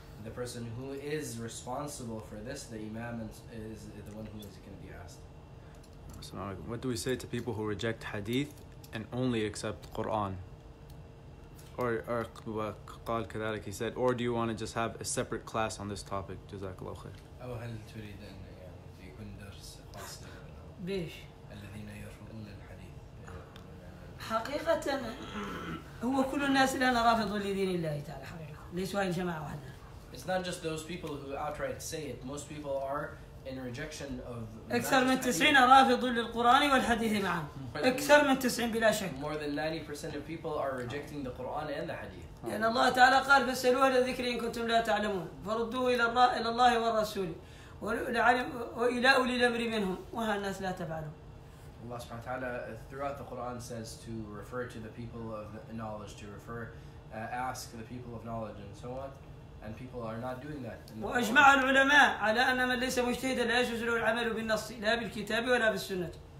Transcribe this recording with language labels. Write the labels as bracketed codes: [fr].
[en] The person who is responsible for this, the imam, is the one who is going to be asked. What do we say to people who reject hadith and only accept Quran? Or [ar] قال كذلك. [en] He said, or do you want to just have a separate class on this topic? [ar] Jazakallah khair. أو هل تريد أن يكون درس خاص؟ بيش. الذين يرفضون الحديث. حقيقة هو كل الناس اللي أنا رافض لدين الله تعالى ليس هاي الجماعة واحدة. [en] It's not just those people who outright say it. Most people are in rejection of. [ar] أكثر من 90 رافض للقرآن والحديث معا. أكثر من 90 بلا شك. [en] More than 90% of people are rejecting the Quran and the Hadith. [ar] لأن الله تعالى قال فاسألوا أهل الذكر إن كنتم لا تعلمون فردوه إلى الله والرسول وإلى أولي الأمر منهم وها الناس لا تفعلون. [en] Allah [ar] سبحانه وتعالى [en] throughout the Quran says to refer to the people of knowledge, to refer, ask the people of knowledge and so on. And people are not doing that. [ar] وأجمع العلماء على أن من ليس مجتهدا لا يجوز له العمل بالنص لا بالكتاب ولا بالسنة.